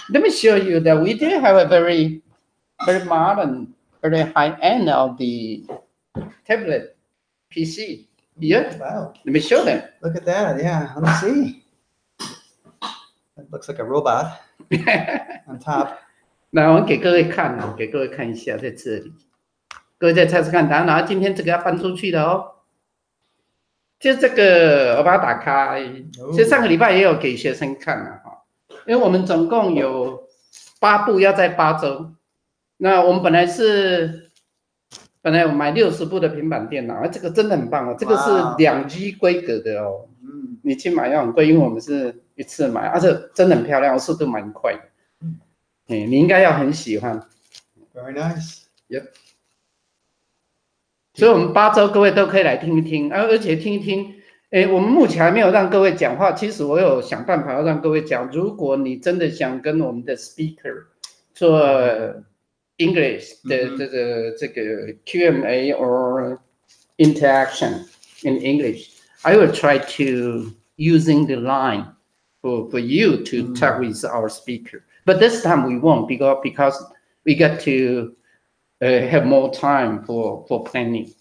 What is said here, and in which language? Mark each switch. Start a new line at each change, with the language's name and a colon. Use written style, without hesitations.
English: Let me show you that we do have a very, very modern. Very high end of the tablet PC. Yeah. Wow. Let me show them. Look at that. Yeah. Let me see. It looks like a robot on top.
Chinese: 那我给各位看，给各位看一下在这里。各位在测试看，然后今天这个要搬出去的哦。就这个，我把它打开。其实上个礼拜也有给学生看了哈，因为我们总共有8部要在8周。那我们本来我买60部的平板电脑，这个真的很棒哦，这个是2G 规格的哦。嗯，你去买要很贵，因为我们是一次买，而且真的很漂亮，速度蛮快的。嗯，你应该要很喜欢。
English: Very nice. Yep.
Chinese: 所以我们8周各位都可以来听一听，而且听一听，我们目前还没有让各位讲话，其实我有想办法要让各位讲。如果你真的想跟我们的 speaker 做
English: English
Chinese: 的这个
English: Q&A or interaction in English, I will try to using the line for you to talk with our speaker. But this time we won't because we got to have more time for planning.